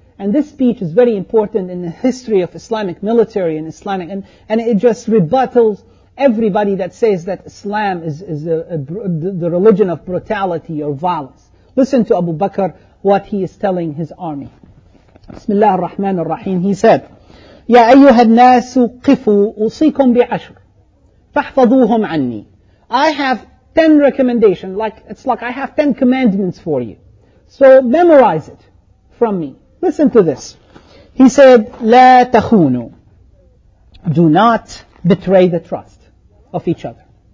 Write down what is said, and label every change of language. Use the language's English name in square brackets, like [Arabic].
[English] And this speech is very important in the history of Islamic military and Islamic, and it just rebuttals everybody that says that Islam is the religion of brutality or violence. Listen to Abu Bakr, what he is telling his army. Bismillah ar-Rahman ar-Rahim. He said, [Arabic] يَا أَيُّهَا النَّاسُ قِفُوا أُصِيكُمْ بِعَشْرٍ فَاحْفَظُوهُمْ عَنِّي. [English] I have 10 recommendations, like, it's like I have 10 commandments for you. So memorize it from me. Listen to this. He said, [Arabic] لَا تَخُونُوا. [English] Do not betray the trust of each other.